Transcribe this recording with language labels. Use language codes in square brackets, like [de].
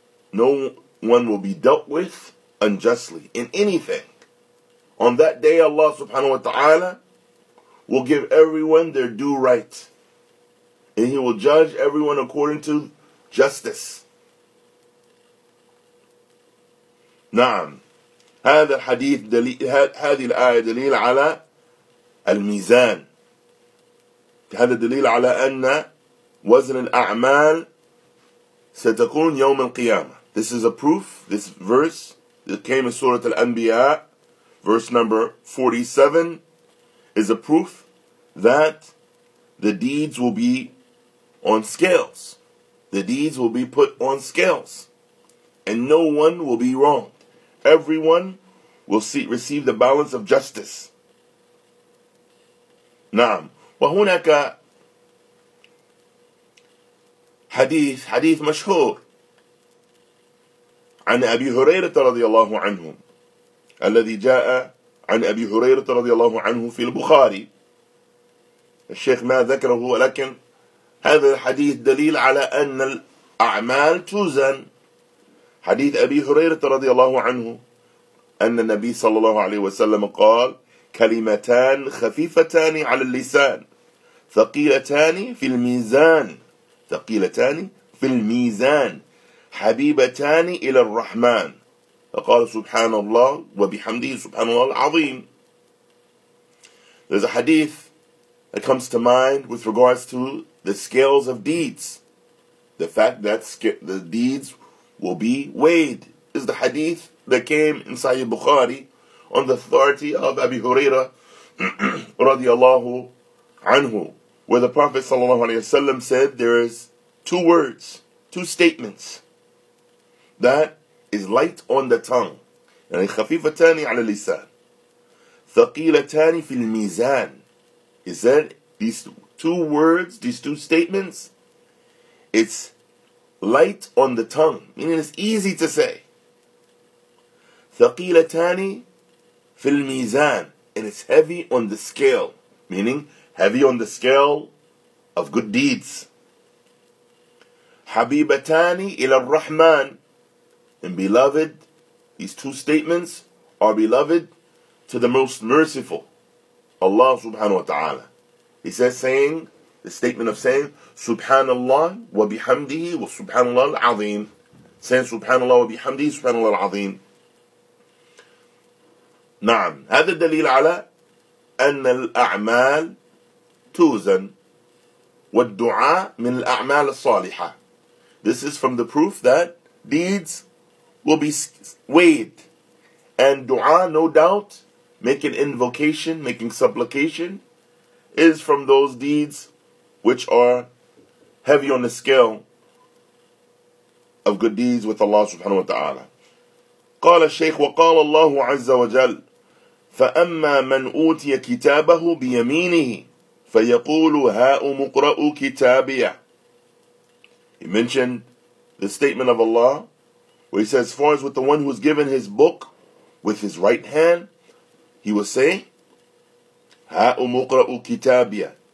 [en] No one will be dealt with unjustly in anything. On that day, Allah subhanahu wa ta'ala will give everyone their due right, and he will judge everyone according to justice. [ar] نعم هذا الحديث دليل هذه الآية دليل على الميزان هذا دليل على أن وزن الأعمال ستكون يوم القيامة. [en] This is a proof, this verse that came in Surah Al-Anbiya, verse number 47, is a proof that the deeds will be on scales. The deeds will be put on scales. And no one will be wrong. Everyone will see, receive the balance of justice. [ar] نعم. وهناك حديث مشهور عن أبي هريرة رضي الله عنه الذي جاء عن أبي هريرة رضي الله عنه في البخاري. الشيخ ما ذكره ولكن هذا الحديث دليل على أن الأعمال توزن. حديث أبي هريرة رضي الله عنه أن النبي صلى الله عليه وسلم قال كلمتان خفيفتان على اللسان ثقيلتان في الميزان ثقيلتان في الميزان حبيبتان إلى الرحمن فقال سبحان الله وبحمده سبحان الله العظيم. [en] There's a hadith that comes to mind with regards to the scales of deeds. The fact that the deeds will be weighed is the hadith that came in Sahih Bukhari on the authority of Abi Huraira radiallahu anhu, where the Prophet sallallahu alayhi wa sallam said there is two words, two statements that is light on the tongue. [ar] And خفيفتان على اللسان ثقيلتان في الميزان. [en] He said these two words, these two statements, it's light on the tongue, meaning it's easy to say. ثقيلتان في الميزان, and it's heavy on the scale, meaning heavy on the scale of good deeds. حبيبتان إلى الرحمن, and beloved, these two statements are beloved to the most merciful, Allah subhanahu wa ta'ala. He says, saying, the statement of saying, Subhanallah wa bihamdihi wa subhanallah al-azim. Saying, Subhanallah wa bihamdihi wa subhanallah al-azim. [ar] نعم, هذا الدليل على أن الأعمال توزن والدعاء من الأعمال الصالحة. [en] This is from the proof that deeds will be weighed. And dua, no doubt, making invocation, making supplication, is from those deeds which are heavy on the scale of good deeds with Allah subhanahu wa ta'ala. [ar] قال الشيخ وقال الله عز وجل فَأَمَّا مَنْ أُوْتِيَ كِتَابَهُ بِيَمِينِهِ فَيَقُولُ هَاءُ مُقْرَأُ كِتَابِيَ. [en] He mentioned the statement of Allah, where he says, as far as with the one who's given his book with his right hand, he will say, هَاءُ مُقْرَأُ كِتَابِيَ.